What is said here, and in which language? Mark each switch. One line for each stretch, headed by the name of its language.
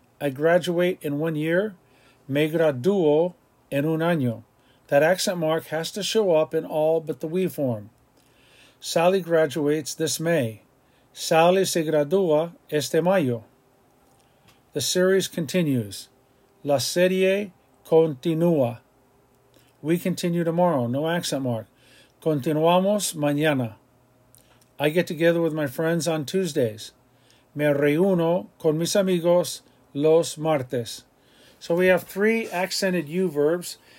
English: I graduate in 1 year,
Spanish: me graduo en un año.
English: That accent mark has to show up in all but the we form. Sally graduates this May.
Spanish: Sally se gradúa este mayo.
English: The series continues.
Spanish: La serie continúa.
English: We continue tomorrow. No accent mark.
Spanish: Continuamos mañana.
English: I get together with my friends on Tuesdays.
Spanish: Me reúno con mis amigos los martes.
English: So we have 3 accented U verbs.